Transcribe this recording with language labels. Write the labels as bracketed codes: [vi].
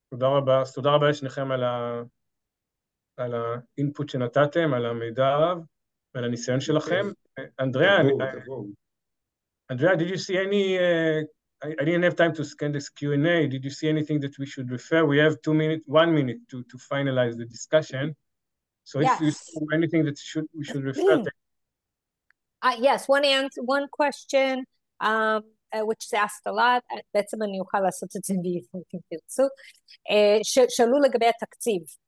[he] תודה רבה, אז תודה רבה לשניכם על האינפוט שנתתם, על המידע הרב, ועל הניסיון שלכם. [en] אנדריה, did you see any, I didn't have time to scan this Q&A, did you see anything that we should refer? We have 2 minutes, 1 minute to finalize the discussion. So if you see anything that we should refer to. Yes, one question, which is asked a lot, [he] בעצם אני אוכל לעשות את זה בעברית אם תרצו, שאלו לגבי התקציב.